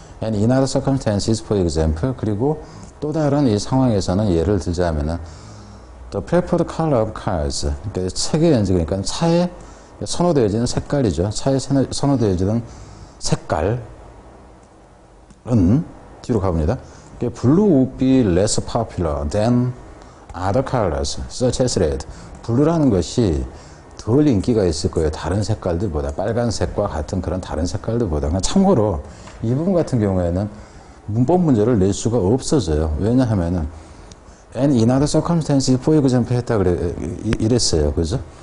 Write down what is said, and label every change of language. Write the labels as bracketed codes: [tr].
[en] And in other circumstances, for example, [ko] 그리고 또 다른 이 상황에서는 예를 들자면은 [en] The preferred color of cars. [ko] 그러니까 책에 이제 그러니까 차에 선호되어지는 색깔이죠. 차에 선호되어지는 색깔은 뒤로 가봅니다. [en] Blue would be less popular than other colors, such as red. [ko] 블루라는 것이 덜 인기가 있을 거예요. 다른 색깔들보다. 빨간색과 같은 그런 다른 색깔들보다. 참고로, 이 부분 같은 경우에는 문법 문제를 낼 수가 없어져요. 왜냐하면은, [en] and in other circumstances, for example, [ko] 이랬어요. 그죠?